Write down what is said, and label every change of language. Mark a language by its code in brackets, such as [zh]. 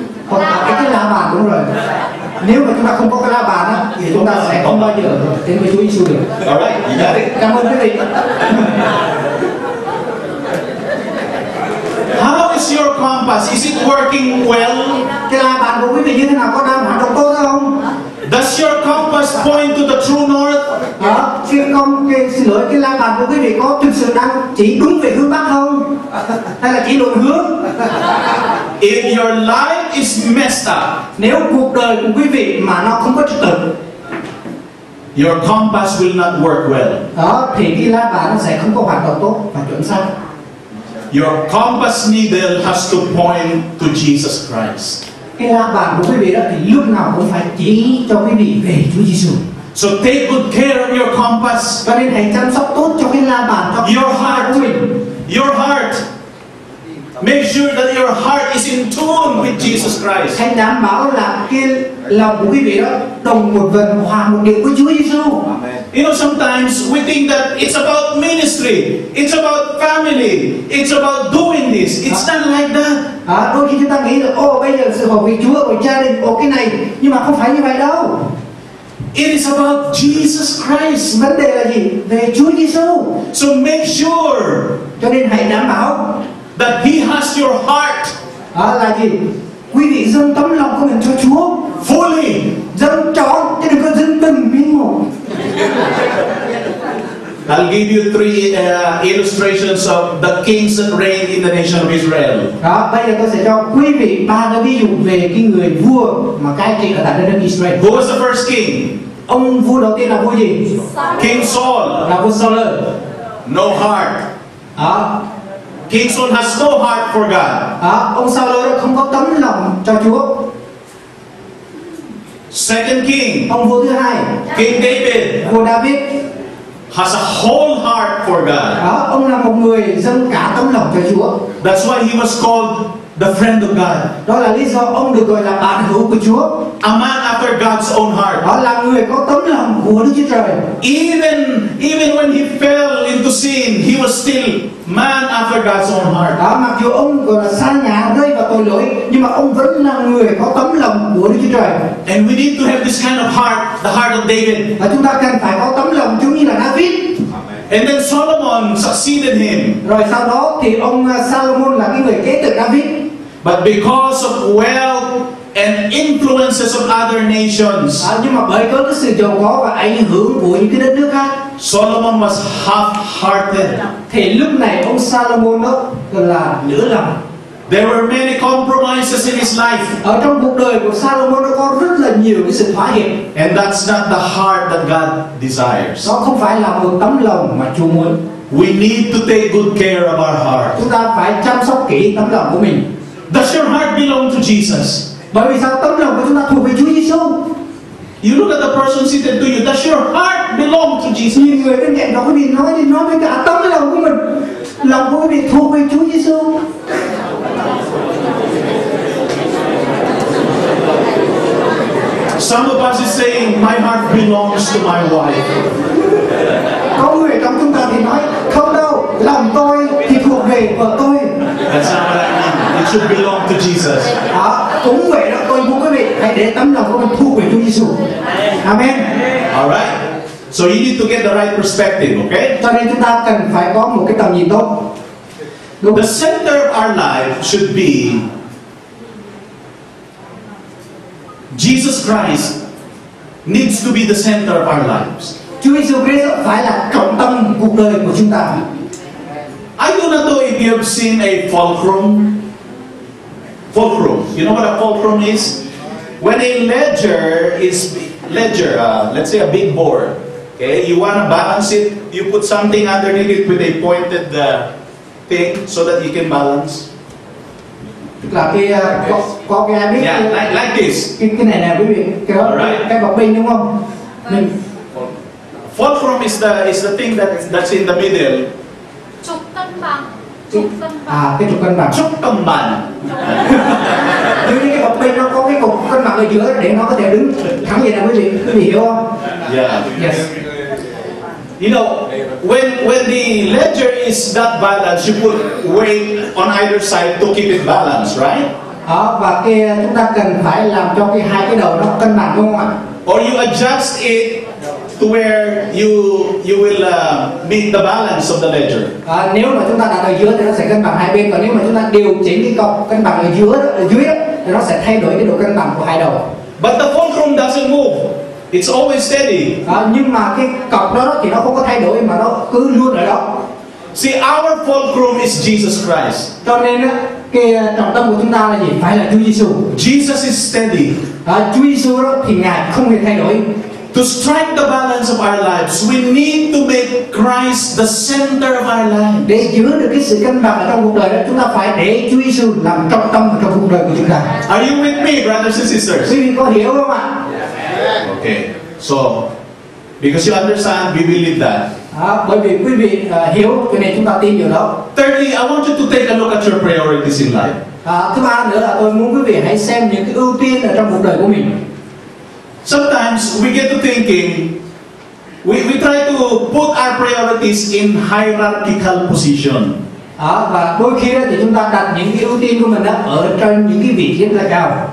[vi] Còn cái la bàn đúng rồi. Nếu mà chúng ta không có cái la bàn á thì chúng ta sẽ không bao giờ đến với Chúa Giêsu được. [en] Alright, you got it. [vi] Cảm ơn quý vị. [en] Your compass, is it working well? [vi] Cái la bàn của quý vị như thế nào, có đang hoạt động tốt không? Does your compass point to the true north? Xin lỗi, cái la bàn của quý vị có thực sự đang chỉ đúng về hướng bắc không? Hay là chỉ lộn hướng? [en] If your life is messed up, [vi] nếu cuộc đời của quý vị mà nó không có trật tự, [en] your compass will not work well. [vi] Thì cái la bàn sẽ không có hoạt động tốt và chuẩn xác. [en] Your compass needle has to point to Jesus Christ. [vi] Cái la bàn của quý vị đó thì lúc nào cũng phải chỉ cho quý vị về Chúa Giêsu. [en] So take good care of your compass. [vi] Và nên hãy chăm sóc tốt cho cái la bàn. [en] Your heart. Your heart. Make sure that your heart is in tune with Jesus Christ. [vi] Hãy đảm bảo là cái lòng của quý vị đó đồng một vần hòa một điệu với Chúa Giêsu. [en] You know, sometimes we think that it's about ministry, it's about family, it's about doing this. It's not like that. [vi] Đôi khi chúng ta nghĩ là, bây giờ sự hợp với Chúa, với gia đình, cái này, nhưng mà không phải như vậy đâu. [en] It is about Jesus Christ. [vi] Vấn đề là gì? Về Chúa Giêsu. [en] So make sure. [vi] Cho nên hãy đảm bảo [en] that He has your heart. [vi] Là gì? Quý vị dâng tấm lòng của mình cho Chúa. [en] Fully. [vi] Dâng trọn, chứ đừng có dâng từng miếng một. [en] I'll give you three illustrations of the kings that reigned in the nation of Israel. [vi] Bây giờ tôi sẽ cho quý vị ba cái ví dụ về cái người vua mà cai trị ở tại đất Israel. [en] Who was the first king? [vi] Ông vua đầu tiên là vua gì? [en] King Saul. [vi] Là vua Saul. [en] No heart. King Saul has no heart for God. [vi] Ông Saul không có tấm lòng cho Chúa. [en] Second king, [vi] ông vua thứ hai, [en] King David, [vi] vua David, [en] has a whole heart for God. [vi] Ông là một người dâng cả tấm lòng cho Chúa. [en] That's why he was called The friend of God. [vi] Đó là lý do ông được gọi là bạn hữu của Chúa. [en] A man after God's own heart. [vi] Đó là người có tấm lòng của Đức Chúa Trời. [en] Even when he fell into sin, he was still man after God's own heart. [vi] Đó, mặc dù ông còn là xa nhà, rơi vào tội lỗi, nhưng mà ông vẫn là người có tấm lòng của Đức Chúa Trời. [en] And we need to have this kind of heart, the heart of David. [vi] Và chúng ta cần phải có tấm lòng giống như là David. [en] And then Solomon succeeded him. [vi] Rồi sau đó thì ông Solomon là cái người kế tục David. [en] But because of wealth and influences of other nations. [vi] À, nhưng mà bởi có cái sự giàu có và ảnh hưởng của những cái đất nước khác. [en] Solomon was half-hearted. [vi] Thì lúc này ông Solomon đó là nửa lòng. [en] There were many compromises in his life. [vi] Ở trong cuộc đời của Solomon nó có rất là nhiều cái sự phá hiểm. [en] And that's not the heart that God desires. [vi] Đó không phải là một tấm lòng mà Chúa muốn. [en] We need to take good care of our heart. [vi] Chúng ta phải chăm sóc kỹ tấm lòng của mình. [en] Does your heart belong to Jesus? [vi] Bởi vì sao tấm lòng của chúng ta thuộc về Chúa Giêsu? [en] You look at the person sitting to you. Does your heart belong to Jesus? [vi] Nhìn người bên cạnh đó có bị nói đi nói với cả tấm lòng của mình, lòng của mình thuộc về Chúa Giêsu. [en] Some of us is saying, my heart belongs to my wife. [vi] Có người trong chúng ta thì nói, không đâu, lòng tôi thì thuộc về vợ tôi. [en] That's not what I mean. It should belong to Jesus. [vi] À, cũng vậy đó, tôi muốn quý vị hãy để tấm lòng của mình thuộc về Chúa Giêsu. [en] Amen. All right. So you need to get the right perspective, okay? [vi] Cho nên chúng ta cần phải có một cái tầm nhìn tốt. Đúng. [en] The center of our life should be Jesus Christ needs to be the center of our lives. Chúa Giêsu Christ phải là trọng tâm cuộc đời của chúng ta. I do not know if you have seen a fulcrum. Fulcrum. You know what a fulcrum is? When a ledger is let's say a big board. Okay, you want to balance it. You put something underneath it with a pointed thing so that you can balance. [vi] Là cái có cái ai biết [en] like this. [vi] Cái này nè quý vị, cái đó, [en] right. [vi] Cái bọc bình đúng không? [en] Fulcrum is the thing that's in the middle. [vi] Trục cân bằng. Trục cân bằng. Tuy nhiên cái bọc bình nó có cái cục cân bằng ở giữa để nó có thể đứng thẳng vậy nè quý vị, hiểu không? [en] Yeah. Yes. You know, when the ledger is that balanced, you put weight on either side to keep it balanced, right? [vi] À, và cái chúng ta cần phải làm cho cái hai cái đầu nó cân bằng đúng không ạ? [en] Or you adjust it to where you will meet the balance of the ledger. [vi] À, nếu mà chúng ta đặt ở giữa thì nó sẽ cân bằng hai bên, còn nếu mà chúng ta điều chỉnh cái cọc cân bằng ở dưới thì nó sẽ thay đổi cái độ cân bằng của hai đầu. [en] But the fulcrum doesn't move. It's always steady. [vi] Nhưng mà cái cọc đó thì nó không có thay đổi mà nó cứ luôn ở đó. [en] See, our fulcrum is Jesus Christ. [vi] Cho nên cái trọng tâm của chúng ta là gì? Phải là Chúa Giêsu. [en] Jesus is steady. [vi] Chúa Giêsu thì ngài không hề thay đổi. [en] To strike the balance of our lives, we need to make Christ the center of our life. [vi] Để giữ được cái sự cân bằng ở trong cuộc đời đó, chúng ta phải để Chúa Giêsu làm trọng tâm trong cuộc đời của chúng ta. [en] Are you with me, brothers and sisters? [vi] Quý vị có hiểu không ạ? [en] Okay, so because you understand, we believe that. [vi] Bởi vì quý vị hiểu, cho nên chúng ta tin điều đó. [en] Thirdly, I want you to take a look at your priorities in life. [vi] Thứ ba nữa là tôi muốn quý vị hãy xem những cái ưu tiên ở trong cuộc đời của mình. [en] Sometimes we get to thinking, we try to put our priorities in hierarchical position. [vi] Và đôi khi thì chúng ta đặt những cái ưu tiên của mình đó ở trên những cái vị trí rất là cao.